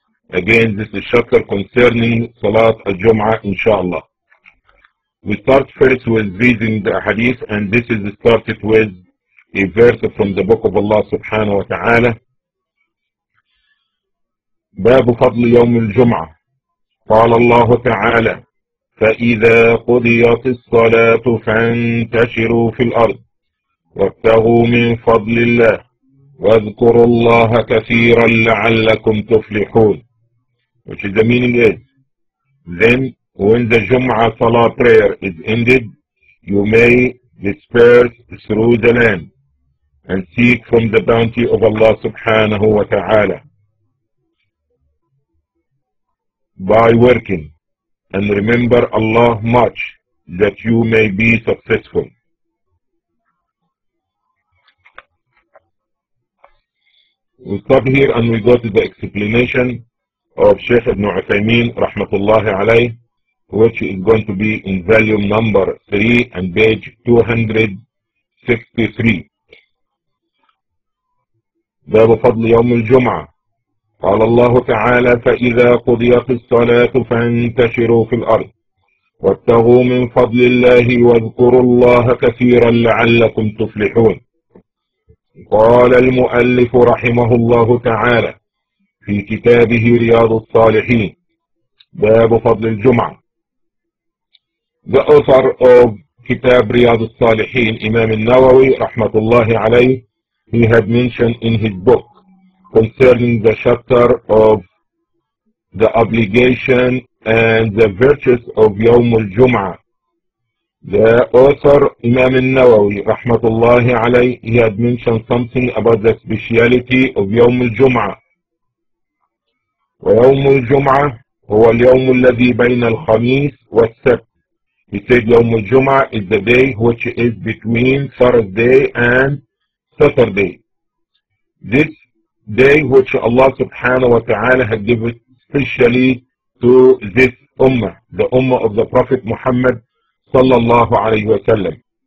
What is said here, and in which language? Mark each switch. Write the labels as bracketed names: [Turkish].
[English] Again, this is chapter concerning Salat al-Jum'ah, inshallah. We start first with reading the hadith, and this is started with a verse from the book of Allah subhanahu wa ta'ala. [Arabic] باب فضل يوم الجمعة. قال الله تعالى: فإذا قضيت الصلاة فانتشروا في الأرض وابتغوا من فضل الله واذكروا الله كثيرا لعلكم تفلحون. وش الزمين الإيه؟ [English] Then when the Jum'ah Salah prayer is ended, you may disperse through the land and seek from the bounty of Allah subhanahu wa ta'ala by working, and remember Allah much that you may be successful. We stop here and we go to the explanation of Sheikh Ibn Uthaymeen rahmatullahi alayh, which is going to be in volume number 3 and page 263. [Arabic] باب فضل يوم الجمعة. قال الله تعالى: فإذا قضيت الصلاة فانتشروا في الأرض وابتغوا من فضل الله واذكروا الله كثيرا لعلكم تفلحون. قال المؤلف رحمه الله تعالى في كتابه رياض الصالحين: باب فضل الجمعة. [English] The author of [Arabic] كتاب رياض الصالحين إمام النووي رحمة الله عليه, [English] he had mentioned in his book concerning the chapter of the obligation and the virtues of [Arabic] يوم الجمعة. [English] The author Imam al-Nawawi rahmatullahi alayh, he had mentioned something about the speciality of [Arabic] يوم الجمعة. ويوم الجمعة هو اليوم الذي بين الخميس والسبت. [English] He said [Arabic] يوم الجمعة [English] is the day which is between Thursday and Saturday. This day which Allah subhanahu wa ta'ala had given specially to this ummah, the ummah of the Prophet Muhammad sallallahu alayhi wa sallam.